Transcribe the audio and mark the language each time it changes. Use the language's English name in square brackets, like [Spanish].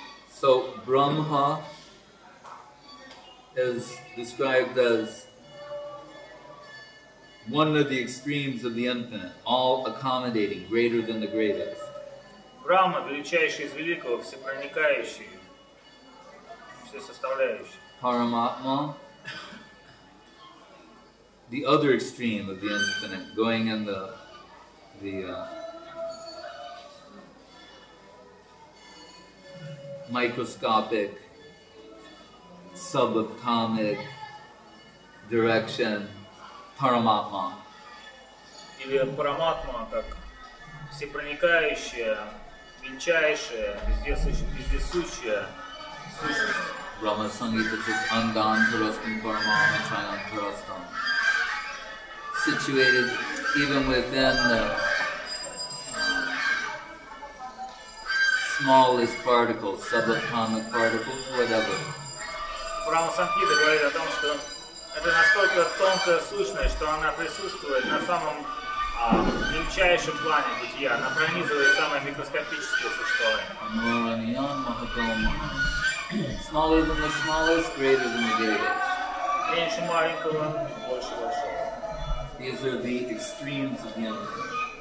[English] So Brahma is described as one of the extremes of the infinite, all accommodating, greater than the greatest. [Russian] Brahma, величайший из великого, всепроникающий, все составляющий. [English] Paramatma, the other extreme of the infinite, going in the microscopic, subatomic direction, Paramatma. [Russian] Или Параматма как всепроникающая, величайшая, вездесущая сущность. [English] Brahma Sangita says [Sanskrit] Andan Tarastam Paramatma Chayan Tarastam. [English] Situated even within the smallest particles, subatomic particles, whatever. [Russian] Брама Сангхита говорит о том, что это настолько тонкая сущность, что она присутствует на самом мельчайшем плане бытия, она пронизывает самое микроскопическое существование. [Sanskrit] Амураньян Махатома. [English] Smaller than the smallest, greater than the greatest. [Russian] Меньше маленького, больше большого. [English] These are the extremes of the universe.